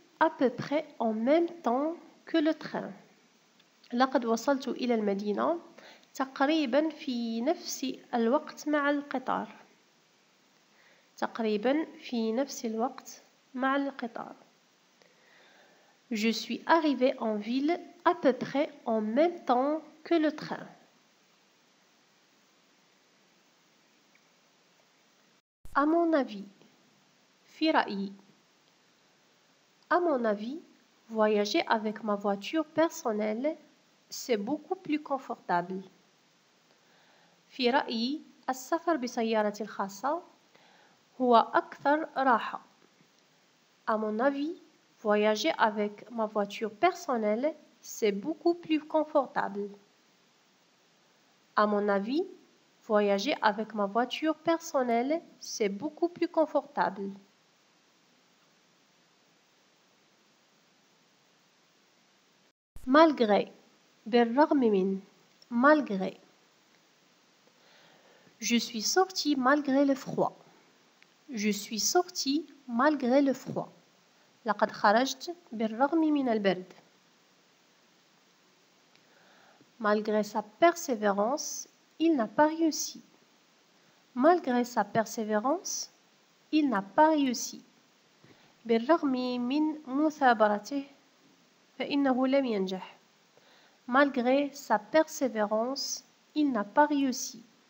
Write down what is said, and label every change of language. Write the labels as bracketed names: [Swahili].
[French] À peu près en même temps que le train. [Arabic] لقد وصلت إلى المدينة تقريبا في نفس الوقت مع القطار. تقريبا في نفس الوقت مع القطار. [French] Je suis arrivé en ville à peu près en même temps que le train. À mon avis, [Arabic] في رأيي. [French] À mon avis, voyager avec ma voiture personnelle, c'est beaucoup plus confortable. [Arabic] في رأيي, السفر بسيارة الخاصة هو أكثر راحة. [French] À mon avis, voyager avec ma voiture personnelle, c'est beaucoup plus confortable. À mon avis, voyager avec ma voiture personnelle, c'est beaucoup plus confortable. Malgré, [Arabic] بالرغم من, [French] malgré. Je suis sorti malgré le froid. Je suis sorti malgré le froid. [Arabic] لقد خرجت بالرغم من البرد. [French] Malgré sa persévérance, il n'a pas réussi. Malgré sa persévérance, il n'a pas réussi. [Arabic] بالرغم من مثابرته, فإنه لم ينجح. [French] Malgré sa persévérance, il n'a pas réussi.